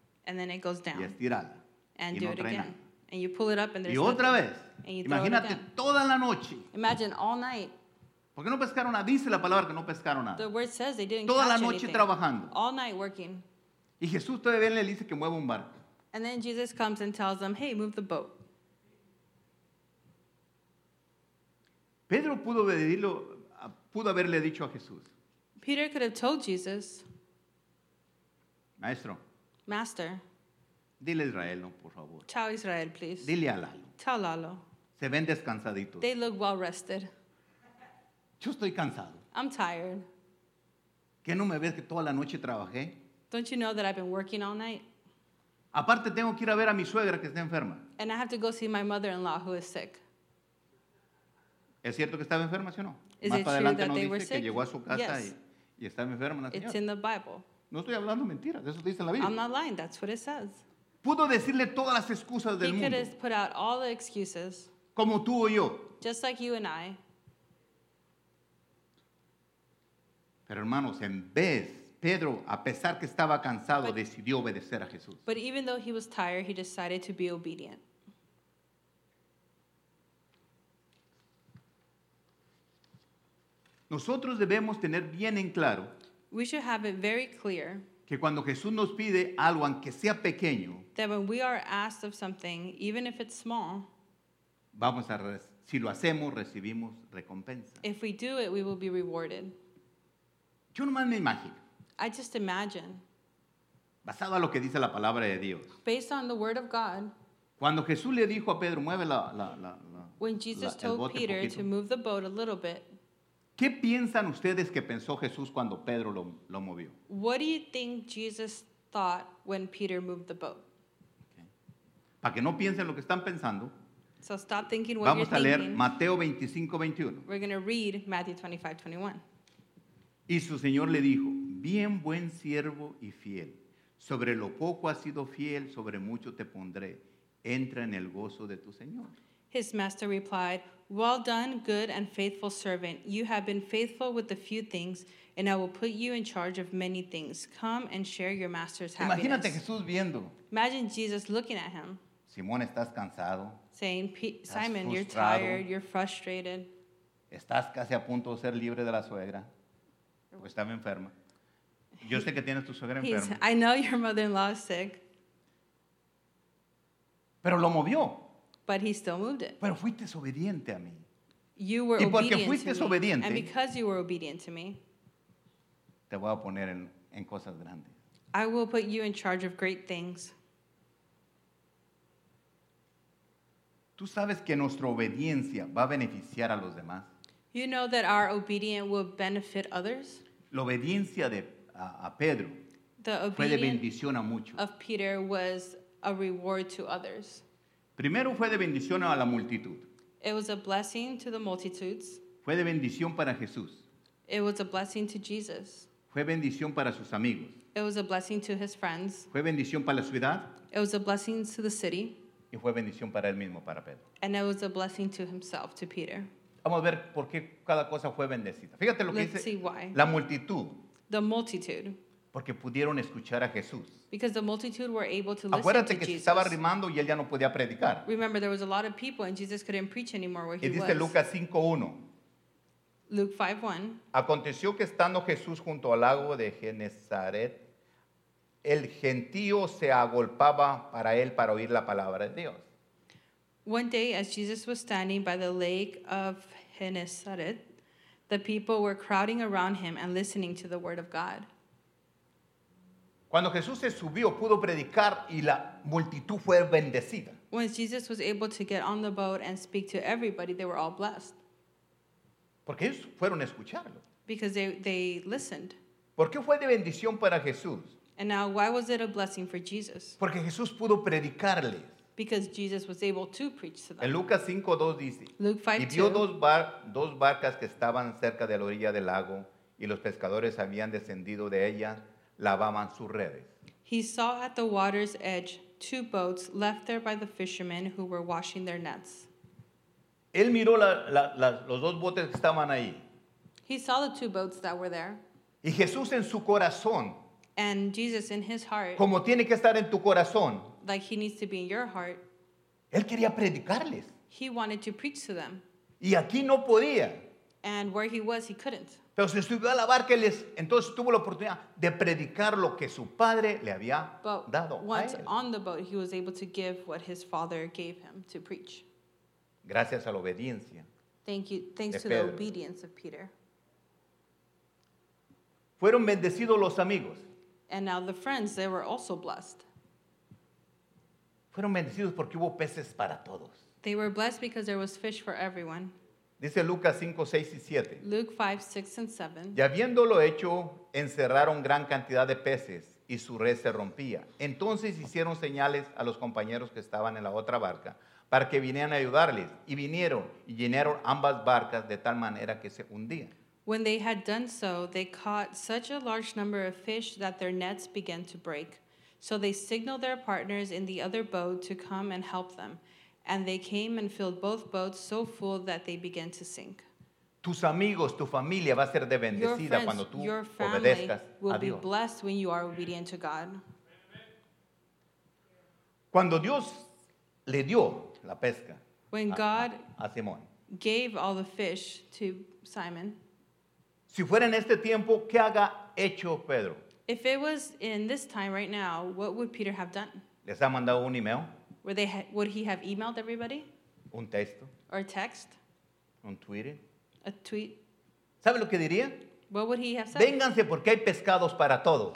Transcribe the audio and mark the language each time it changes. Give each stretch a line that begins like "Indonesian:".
English: And then it goes down.
Spanish: Y estirada.
English: And
Spanish: y
English: do
Spanish: no
English: it
Spanish: trae
English: again.
Spanish: Nada.
English: And you pull it up and there's
Spanish: y otra
English: nothing.
Spanish: Vez.
English: And you
Spanish: imagínate
English: throw it again.
Spanish: Toda la noche.
English: Imagine all night.
Spanish: ¿Por qué no pescaron nada? Dice la palabra que no pescaron nada.
English: The word says they didn't
Spanish: toda la noche
English: anything.
Spanish: Trabajando.
English: All night working.
Spanish: Y Jesús todavía le dice que mueva un barco.
English: And then Jesus comes and tells them, hey, move the boat.
Spanish: Pedro pudo decirlo, pudo haberle dicho a Jesús.
English: Peter could have told Jesus.
Spanish: Maestro.
English: Master.
Spanish: Dile a Israel, no, por favor.
English: Chao, Israel, please.
Spanish: Dile a Lalo.
English: Tell Lalo.
Spanish: Se ven descansaditos.
English: They look well rested.
Spanish: Yo estoy cansado.
English: I'm tired.
Spanish: ¿Qué no me ves que toda la noche trabajé?
English: Don't you know that I've been working all night?
Spanish: Aparte tengo que ir a ver a mi suegra que está enferma.
English: And I have to go see my mother-in-law who is sick.
Spanish: ¿Es cierto que estaba enferma, sí o no?
English: Is
Spanish: más
English: it
Spanish: adelante
English: true that
Spanish: no
English: they
Spanish: dice
English: were sick?
Spanish: Que llegó a su casa
English: yes.
Spanish: y estaba enferma la señora.
English: It's in the Bible.
Spanish: No estoy hablando mentiras, eso dice la Biblia.
English: I'm not lying, that's what it says.
Spanish: Pudo decirle todas las excusas del mundo.
English: He could have put out all the excuses.
Spanish: Como tú o yo.
English: Just like you and I.
Spanish: Pero hermanos, en vez Pedro, a pesar que estaba cansado,
English: but,
Spanish: decidió obedecer a Jesús.
English: But even though he was tired, he decided to be obedient.
Spanish: Nosotros debemos tener bien en claro.
English: We should have it very clear.
Spanish: Que cuando Jesús nos pide algo, aunque sea pequeño.
English: That when we are asked of something, even if it's small.
Spanish: Vamos a si lo hacemos, recibimos recompensa.
English: If we do it, we will be rewarded.
Spanish: Yo nomás me imagino.
English: I just imagine.
Spanish: Basado a lo que dice la palabra de Dios.
English: Based on the word of God.
Spanish: Cuando Jesús le dijo a Pedro, mueve la
English: when Jesus told Peter to move the boat a little bit.
Spanish: ¿Qué piensan ustedes que pensó Jesús cuando Pedro lo movió?
English: What do you think Jesus thought when Peter moved the boat? Okay.
Spanish: Para que no piensen lo que están pensando.
English: So stop thinking what
Spanish: vamos
English: you're
Spanish: a leer
English: thinking.
Spanish: Mateo 25:21.
English: We're going to read Matthew 25:21.
Spanish: Y su Señor le dijo, bien buen siervo y fiel, sobre lo poco has sido fiel, sobre mucho te pondré. Entra en el gozo de tu Señor.
English: His master replied, well done, good and faithful servant. You have been faithful with a few things, and I will put you in charge of many things. Come and share your master's happiness.
Spanish: Imagínate Jesús viendo.
English: Imagine Jesus looking at him.
Spanish: Simón, estás cansado.
English: Saying, Simon,
Spanish: frustrado.
English: You're tired, you're frustrated.
Spanish: Estás casi a punto de ser libre de la suegra. O estaba enferma. Yo sé que tienes tu suegra enferma.
English: I know your mother-in-law is sick.
Spanish: Pero lo movió.
English: But he still moved it.
Spanish: Pero fuiste obediente a mí.
English: You were
Spanish: y porque
English: obedient
Spanish: fuiste obediente,
English: and because you were obedient to me,
Spanish: te voy a poner en cosas grandes.
English: I will put you in charge of great things.
Spanish: Tú sabes que nuestra obediencia va a beneficiar a los demás.
English: You know that our obedience will benefit others.
Spanish: La obediencia de a Pedro.
English: The
Spanish: fue de bendición a muchos.
English: Of Peter was a reward to others.
Spanish: Primero fue de bendición a la multitud.
English: It was a blessing to the multitudes.
Spanish: Fue de bendición para Jesús.
English: It was a blessing to Jesus.
Spanish: Fue bendición para sus amigos.
English: It was a blessing to his friends.
Spanish: Fue bendición para la ciudad.
English: It was a blessing to the city.
Spanish: Y fue bendición para él mismo, para Pedro.
English: And it was a blessing to himself, to Peter.
Spanish: Vamos a ver por qué cada cosa fue bendecida. Fíjate lo
English: let's
Spanish: que dice
English: see why.
Spanish: La multitud.
English: The multitude.
Spanish: Porque pudieron escuchar a Jesús.
English: Because the multitude were able to listen
Spanish: acuérdate
English: to Jesus.
Spanish: Acuérdate que estaba rimando y él ya no podía predicar.
English: Remember, there was a lot of people and Jesus couldn't preach anymore where he
Spanish: y dice
English: was.
Spanish: Lucas 5:1.
English: Luke 5:1.
Spanish: Aconteció que estando Jesús junto al lago de Genezaret, el gentío se agolpaba para él para oír la palabra de Dios.
English: One day, as Jesus was standing by the lake of Genezaret, the people were crowding around him and listening to the word of God.
Spanish: Cuando Jesús se subió, pudo predicar y la multitud fue bendecida.
English: When Jesus was able to get on the boat and speak to everybody, they were all blessed.
Spanish: Porque ellos fueron a escucharlo.
English: Because they listened.
Spanish: ¿Por qué fue de bendición para Jesús?
English: And now, why was it a blessing for Jesus?
Spanish: Porque Jesús pudo predicarles.
English: Because Jesus was able to preach to them.
Spanish: En Lucas 5:2 dice,
English: Luke 5:2.
Spanish: Y vio dos barcas que estaban cerca de la orilla del lago y los pescadores habían descendido de ellas. Lavaban sus redes.
English: He saw at the water's edge two boats left there by the fishermen who were washing their nets.
Spanish: Él miró los dos botes que estaban ahí.
English: He saw the two boats that were there.
Spanish: Y Jesús en su corazón.
English: And Jesus in his heart.
Spanish: Como tiene que estar en tu corazón.
English: Like he needs to be in your heart.
Spanish: Él quería predicarles.
English: He wanted to preach to them.
Spanish: Y aquí no podía.
English: And where he was, he couldn't.
Spanish: Pero se subió a la barca y les, entonces tuvo la oportunidad de predicar lo que su padre le había dado a él.
English: On the boat, he was able to give what his father gave him to preach.
Spanish: Gracias a la obediencia.
English: Thank you. Thanks to the obedience of Peter.
Spanish: Fueron bendecidos los amigos.
English: And now the friends, they were also blessed.
Spanish: Fueron bendecidos porque hubo peces para todos.
English: They were blessed because there was fish for everyone.
Spanish: Dice Lucas 5, 6 y 7.
English: Luke 5, 6 and 7.
Spanish: Y habiéndolo hecho, encerraron gran cantidad de peces y su red se rompía. Entonces hicieron señales a los compañeros que estaban en la otra barca para que vinieran a ayudarles. Y vinieron y llenaron ambas barcas de tal manera que se hundían.
English: When they had done so, they caught such a large number of fish that their nets began to break. So they signaled their partners in the other boat to come and help them. And they came and filled both boats so full that they began to sink.
Spanish: Tus amigos, tu familia va a ser de bendecida cuando tú obedezcas a Dios.
English: Your family will be blessed when you are obedient to God.
Spanish: Cuando Dios le dio la pesca
English: when God gave all the fish to Simon,
Spanish: si fuera en este tiempo, ¿qué haga hecho Pedro?
English: If it was in this time right now, what would Peter have done?
Spanish: ¿Les ha mandado un email?
English: Would he have emailed everybody?
Spanish: Un texto.
English: Or a text?
Spanish: Un Twitter.
English: A tweet.
Spanish: ¿Sabe lo que diría?
English: What would he have said?
Spanish: Vénganse porque hay pescados para todos.